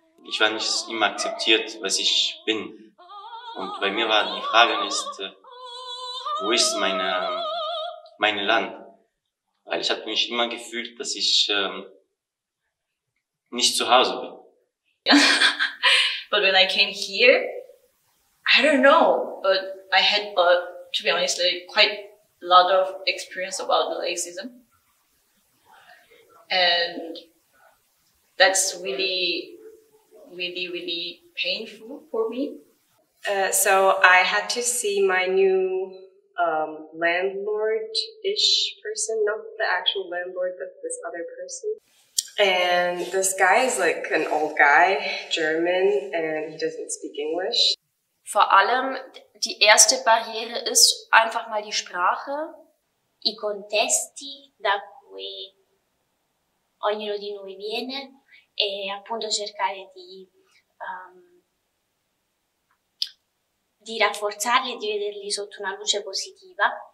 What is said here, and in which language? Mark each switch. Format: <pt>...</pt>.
<de>Ich war nicht immer akzeptiert, was ich bin, und bei mir war die Frage ist, wo ist mein Land? Weil ich habe mich immer gefühlt, dass ich nicht zu Hause bin.</de> <en>But when I came here, I don't know, but I had, to be honest, quite a lot of experience about the racism. And that's really, really, really painful for me. So I had to see my new landlord-ish person, not the actual landlord, but this other person. And this guy is like an old guy, German, and he doesn't speak English.</en> <de>Vor allem die erste Barriere ist einfach mal die Sprache.</de> <it>I contesti da cui ognuno di noi viene e appunto cercare di rafforzarli e di vederli sotto una luce positiva.</it>